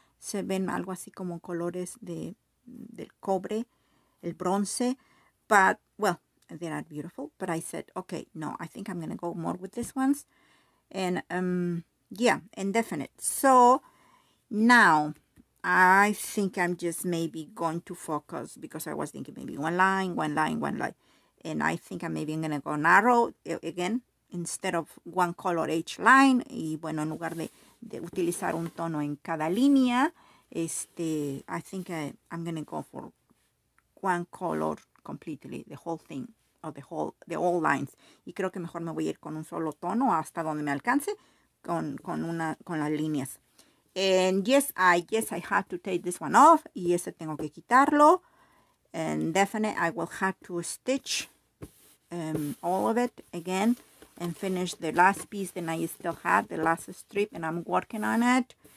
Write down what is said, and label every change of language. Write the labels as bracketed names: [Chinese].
[Spanish] Se ven algo así como colores del cobre, el bronce. [English] But, well, they are beautiful, but I said, okay, no, I think I'm going to go more with these ones. And, yeah, indefinite. So, now, I think I'm just maybe going to focus, because I was thinking maybe one line. And I think I'm maybe going to go narrow, again, instead of one color each line. [Spanish] Y bueno, en lugar de utilizar un tono en cada línea, [English] I think I'm going to go for one color completely, the whole thing. Of the whole lines. [Spanish] Y creo que mejor me voy a ir con un solo tono hasta donde me alcance con las líneas. [English] And yes, I have to take this one off. [Spanish] Y ese tengo que quitarlo. [English] And definitely I will have to stitch all of it again and finish the last piece that I still have, the last strip, and I'm working on it.